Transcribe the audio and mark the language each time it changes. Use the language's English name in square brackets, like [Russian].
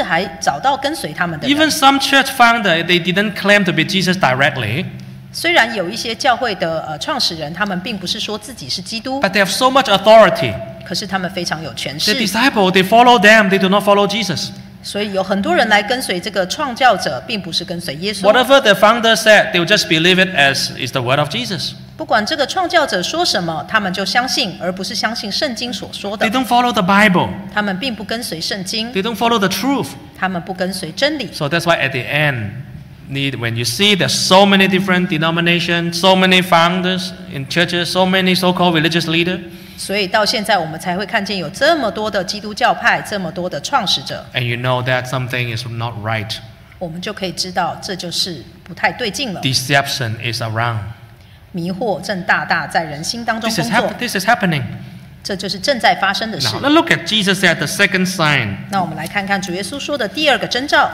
[Chinese] 甚至还找到跟随他们的人。 [English] Even some church founder, they didn't claim to be Jesus directly. [Chinese] 虽然有一些教会的 创始人, 他们并不是说自己是基督, [English] but they have so much authority. [Chinese] 可是他们非常有权势。 [English] The disciples, they follow them, they do not follow Jesus. [Chinese] 所以有很多人来跟随这个创造者, 并不是跟随耶稣。 [English] Whatever the founder said, they'll just believe it as is the word of Jesus. [Chinese] 不管这个创造者说什么, 他们就相信, 而不是相信圣经所说的。 [English] They don't follow the Bible. [Chinese] 他们并不跟随圣经。 [English] They don't follow the truth. [Chinese] 他们不跟随真理。 [English] So that's why at the end, when you see there's so many different denominations, so many founders in churches, so many so-called religious leaders. [Chinese] 所以到现在我们才会看见有这么多的基督教派, 这么多的创始者. [English] And you know that something is not right. [Chinese] 我们就可以知道这就是不太对劲了. [English] Deception is around. [Chinese] 迷惑正大大在人心当中工作. [English] This is happening. [Chinese] 这就是正在发生的事. [English] Now, let's look at Jesus at the second sign. [Chinese] 那我们来看看主耶稣说的第二个征兆.